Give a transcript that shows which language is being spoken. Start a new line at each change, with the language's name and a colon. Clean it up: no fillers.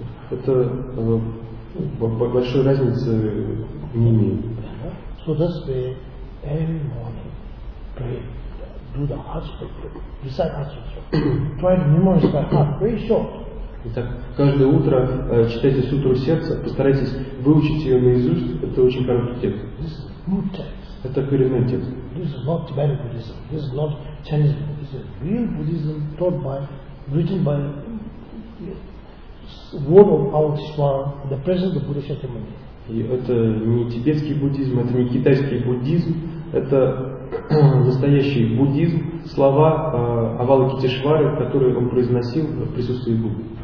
Russian: Это большой разницы не имеет.
English: So that's why every morning pray, do the Hatha, recite Hatha. Try to memorize by heart, very short.
Russian: Итак, каждое утро читайте сутру сердца, постарайтесь выучить ее наизусть, это очень короткий текст.
English: This is good text.
Russian: Это коренной текст.
English: This is not Tibetan Buddhism, this is not Chinese Buddhism. This is real Buddhism taught by, written by word of our Swami, the presence of the Buddha Shakyamuni.
Russian: И это не тибетский буддизм, это не китайский буддизм, это настоящий буддизм, слова Авалокитешвары, которые он произносил в присутствии Будды.